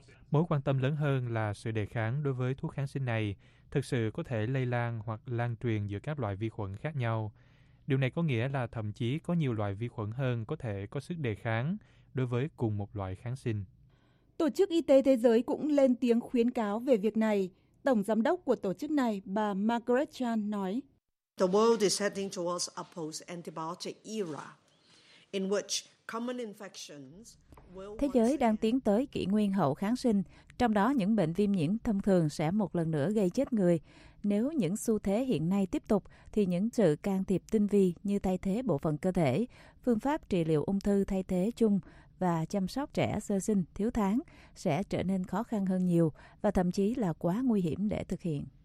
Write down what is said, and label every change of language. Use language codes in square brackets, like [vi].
[vi] Mối quan tâm lớn hơn là sự đề kháng đối với thuốc kháng sinh này thực sự có thể lây lan hoặc lan truyền giữa các loại vi khuẩn khác nhau. Điều này có nghĩa là thậm chí có nhiều loại vi khuẩn hơn có thể có sức đề kháng đối với cùng một loại kháng sinh. Tổ chức Y tế Thế giới cũng lên tiếng khuyến cáo về việc này. Tổng giám đốc của tổ chức này, bà Margaret Chan, nói: [en] The world is heading towards a post-antibiotic era in which common infections will... [vi] Thế giới đang tiến tới kỷ nguyên hậu kháng sinh, trong đó những bệnh viêm nhiễm thông thường sẽ một lần nữa gây chết người. Nếu những xu thế hiện nay tiếp tục, thì những sự can thiệp tinh vi như thay thế bộ phận cơ thể, phương pháp trị liệu ung thư thay thế chung và chăm sóc trẻ sơ sinh, thiếu tháng sẽ trở nên khó khăn hơn nhiều và thậm chí là quá nguy hiểm để thực hiện.